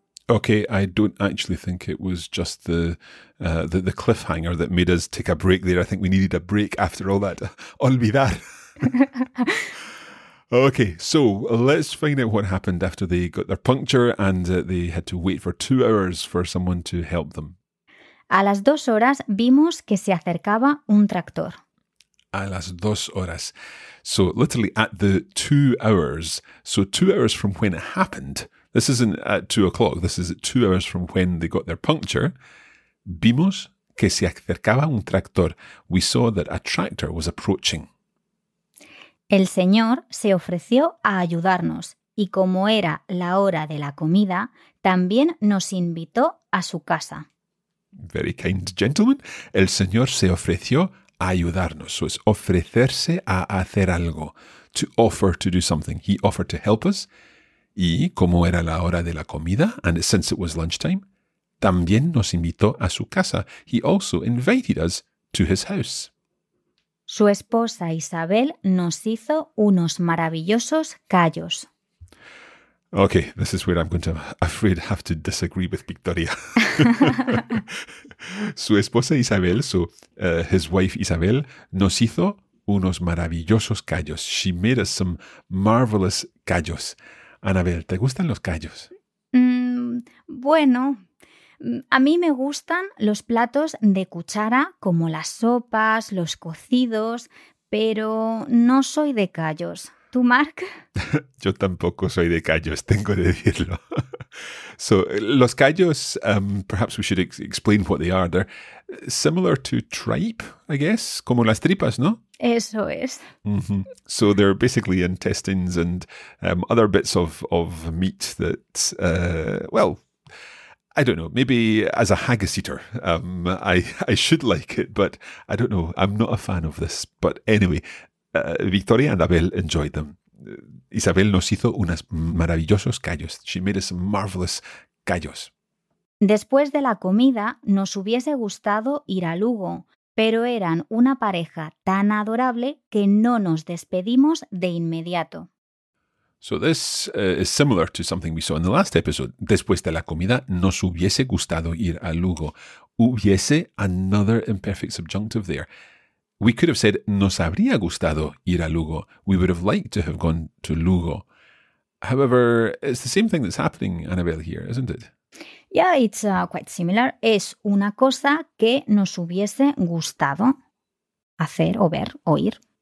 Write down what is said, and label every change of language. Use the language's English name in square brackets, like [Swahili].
[English] Okay, I don't actually think it was just the cliffhanger that made us take a break there. I think we needed a break after all that. Olvidar. Okay, so let's find out what happened after they got their puncture and they had to wait for 2 hours for someone to help them. [Spanish] A las 2 horas vimos que se acercaba un tractor. A las 2 horas. [English] So literally at the 2 hours. So 2 hours from when it happened. This isn't at 2 o'clock. This is at 2 hours from when they got their puncture. [Spanish] Vimos que se acercaba un tractor. [English] We saw that a tractor was approaching. [Spanish] El señor se ofreció a ayudarnos y como era la hora de la comida, también nos invitó a su casa. [English] Very kind gentleman. [Spanish] El señor se ofreció a ayudarnos. [English] So it's [Spanish] ofrecerse a hacer algo. [English] To offer to do something. He offered to help us. [Spanish] Y como era la hora de la comida, [English] and since it was lunchtime, [Spanish] también nos invitó a su casa. [English] He also invited us to his house. [Spanish] Su esposa Isabel nos hizo unos maravillosos callos. [English] Okay, this is where I'm going to, I'm afraid, have to disagree with Victoria. [Spanish] Su esposa Isabel, [English] his wife Isabel, [Spanish] nos hizo unos maravillosos callos. [English] She made us some marvelous callos. [Spanish] Anabel, ¿te gustan los callos? Bueno, a mí me gustan los platos de cuchara, como las sopas, los cocidos, pero no soy de callos. ¿Tú, Mark? Yo tampoco soy de callos, tengo que decirlo. [English] So, los callos, perhaps we should explain what they are. They're similar to tripe, I guess, [Spanish] como las tripas, ¿no? Eso es. Mm-hmm. [English] So they're basically intestines and other bits of meat that, well, I don't know, maybe as a haggis eater, I should like it, but I don't know, I'm not a fan of this. But anyway, Victoria and Abel enjoyed them. [Spanish] Isabel nos hizo unas maravillosos callos. [English] She made us marvelous callos. [Spanish] Después de la comida, nos hubiese gustado ir a Lugo, pero eran una pareja tan adorable que no nos despedimos de inmediato. [English] So this is similar to something we saw in the last episode. [Spanish] Después de la comida, nos hubiese gustado ir a Lugo. [English] Hubiese, another imperfect subjunctive there. We could have said, [Spanish] nos habría gustado ir a Lugo. [English] We would have liked to have gone to Lugo. However, it's the same thing that's happening, Anabel, here, isn't it? Yeah, it's quite similar. [Spanish] Es una cosa que nos hubiese gustado hacer o ver o ir.